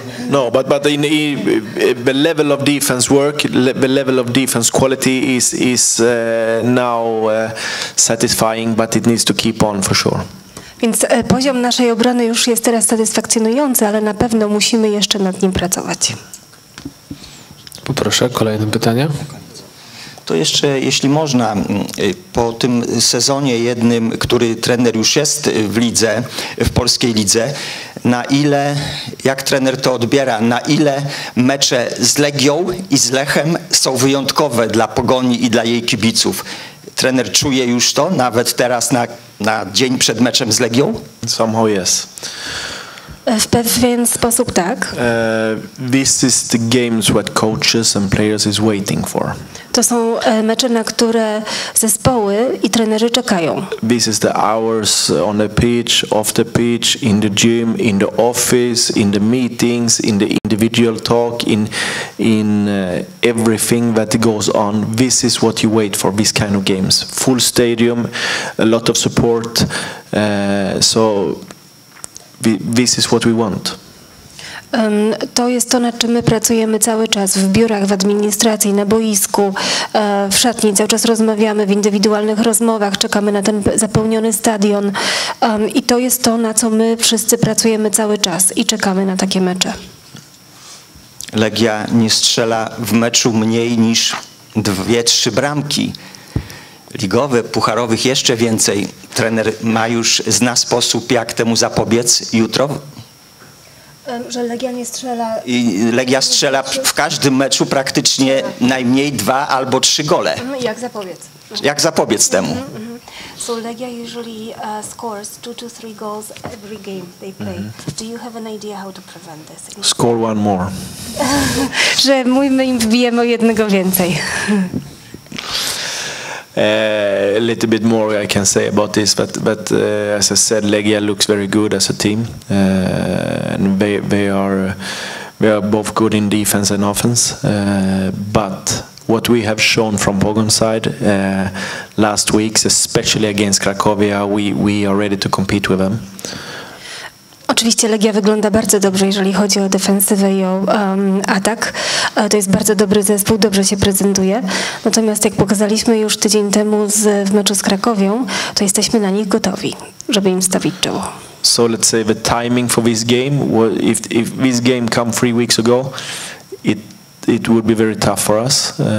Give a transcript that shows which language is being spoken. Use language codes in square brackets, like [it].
[en] No, but in the level of defense work, the level of defense quality is now satisfying, but it needs to keep on for sure. [pl] Więc poziom naszej obrony już jest teraz satysfakcjonujący, ale na pewno musimy jeszcze nad nim pracować. Poproszę, kolejne pytanie. To jeszcze, jeśli można, po tym sezonie jednym, który trener już jest w lidze, w polskiej lidze, na ile, jak trener to odbiera, na ile mecze z Legią i z Lechem są wyjątkowe dla Pogoni i dla jej kibiców? Trener czuje już to, nawet teraz na dzień przed meczem z Legią? [en] Somehow yes. [pl] W pewien sposób tak. [en] This is the games what coaches and players is waiting for. [pl] To są mecze, na które zespoły i trenerzy czekają. [en] This is the hours on the pitch, off the pitch, in the gym, in the office, in the meetings, in the individual talk, in everything that goes on. This is what you wait for, these kind of games. Full stadium, a lot of support. So this is what we want. [pl] To jest to, nad czym my pracujemy cały czas w biurach, w administracji, na boisku, w szatni. Cały czas rozmawiamy w indywidualnych rozmowach, czekamy na ten zapełniony stadion. I to jest to, na co my wszyscy pracujemy cały czas i czekamy na takie mecze. Legia nie strzela w meczu mniej niż 2-3 bramki. Ligowe, pucharowych jeszcze więcej. Trener ma już, zna sposób, jak temu zapobiec jutro. Że Legia nie strzela... I Legia strzela w każdym meczu praktycznie najmniej 2 albo 3 gole. Jak zapobiec? Jak zapobiec temu? [en] So Legia usually scores 2 to 3 goals every game they play. Mm-hmm. Do you have an idea how to prevent this? Score one more. [pl] Że my im wbijemy o jednego więcej. [en] A little bit more I can say about this, but as I said, Legia looks very good as a team, and they are both good in defense and offense. But what we have shown from Pogon's side last weeks, especially against Cracovia, we are ready to compete with them. [pl] Oczywiście Legia wygląda bardzo dobrze, jeżeli chodzi o defensywę i o atak. To jest bardzo dobry zespół, dobrze się prezentuje. Natomiast jak pokazaliśmy już tydzień temu w meczu z Krakowią, to jesteśmy na nich gotowi, żeby im stawić czoło. [en] So let's say the timing for this game, if this game come 3 weeks ago, it would be very tough for us.